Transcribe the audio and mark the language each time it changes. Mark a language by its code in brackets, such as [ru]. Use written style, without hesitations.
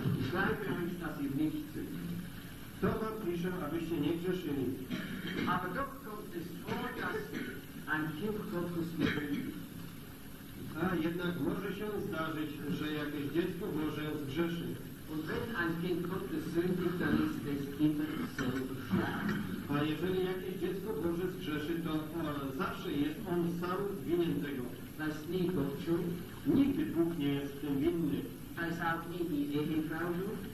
[de] Schreibe euch, dass ihr nicht sünd. [pl] To wam pisze, abyście nie grzeszyli. [de] Aber doch kommt es vor, dass ein Kind Gottes gegründet. [pl] A jednak może się zdarzyć, że jakieś dziecko Boże zgrzeszy. [de] Und wenn ein Kind Gottes sündigt, dann ist das Kind selber schuld. [pl] A jeżeli jakieś dziecko Boże zgrzeszy, to zawsze jest on sam winien tego. [de] Das ist nie Gott schuld. [pl] Nigdy Bóg nie jest tym winny. [de] Das ist auch nie die Ehefrau schuld.